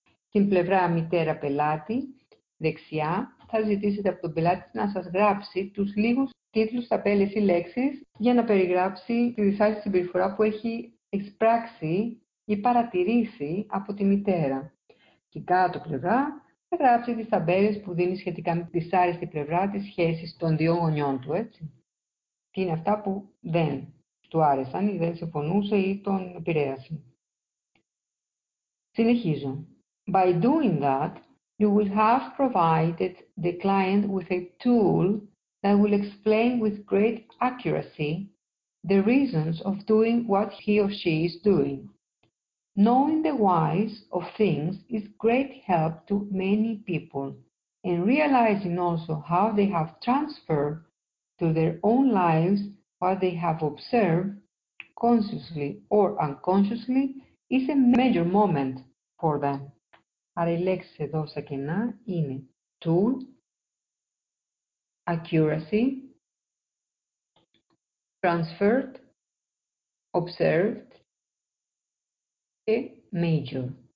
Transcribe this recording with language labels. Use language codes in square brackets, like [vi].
[el] Την πλευρά μητέρα πελάτη, δεξιά, θα ζητήσετε από τον πελάτη να σας γράψει τους λίγους τίτλους, ταμπέλες ή λέξεις για να περιγράψει τη δυσάρεστη συμπεριφορά που έχει εισπράξει ή παρατηρήσει από τη μητέρα. Και κάτω πλευρά θα γράψει τις ταμπέλες που δίνει σχετικά με τη δυσάρεστη πλευρά της σχέσης των δύο γονιών του, έτσι. Τι είναι αυτά που δεν του άρεσαν ή δεν συμφωνούσε ή τον επηρέασε. Συνεχίζω. [en] By doing that, you will have provided the client with a tool that will explain with great accuracy the reasons of doing what he or she is doing. Knowing the whys of things is great help to many people, and realizing also how they have transferred to their own lives what they have observed, consciously or unconsciously, is a major moment for them. [el] Άρα η λέξη εδώ στα κενά είναι tool, accuracy, transferred, observed και major.